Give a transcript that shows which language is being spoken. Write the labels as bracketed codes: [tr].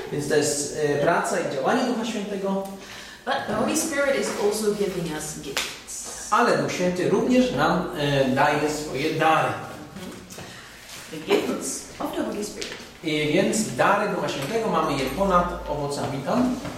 [pl] Więc to jest praca i działanie Ducha Świętego. [en] But the Holy Spirit is also giving us gifts. [pl] Ale Duch Święty również nam daje swoje dary. [en] The gifts of the Holy Spirit. [pl] I więc dary Ducha Świętego mamy je ponad owocami tam.